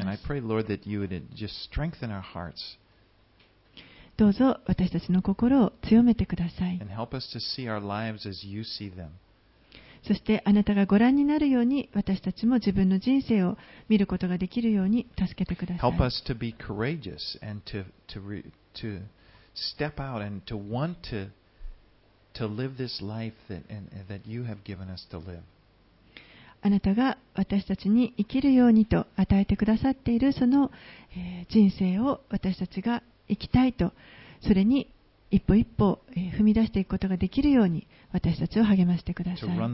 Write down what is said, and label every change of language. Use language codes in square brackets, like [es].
[en] And I pray, Lord, that you would just strengthen our hearts. [ja] どうぞ私たちの心を強めてください。 [en] And help us to see our lives as you see them. [ja] そしてあなたがご覧になるように私たちも自分の人生を見ることができるように助けてください。 [en] Help us to be courageous and to step out and to want to live this life that you have given us to live. [ja] あなたが私たちに生きるようにと与えてくださっているその人生を私たちが生きたいと、それに一歩一歩踏み出していくことができるように私たちを励ましてください。